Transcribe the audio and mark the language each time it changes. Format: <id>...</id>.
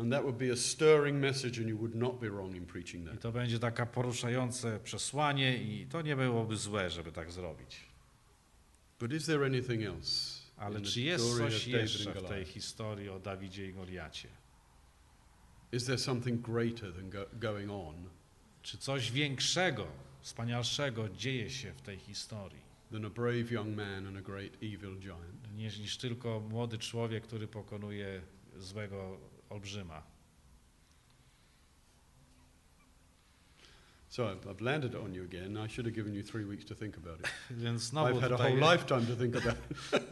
<en>And that would be a stirring message, and you would not be wrong in preaching that.</en> <pl>I to będzie taka poruszające przesłanie, i to nie byłoby złe, żeby tak zrobić.</pl> <en>But is there anything else?</en> <pl>Ale czy jest coś jeszcze w tej historii o Dawidzie i Goliacie?</pl> <en>Is there something greater than going on?</en> <pl>Czy coś większego, wspanialszego dzieje się w tej historii?</pl> <en>Than a brave young man and a great evil giant.</en> <pl>Niż tylko młody człowiek, który pokonuje złego olbrzyma.</pl> <en>So I've landed it on you again. I should have given you 3 weeks to think about it.</en> <pl>Więc znowu</pl> <en>I've had a whole lifetime to think about it.</en>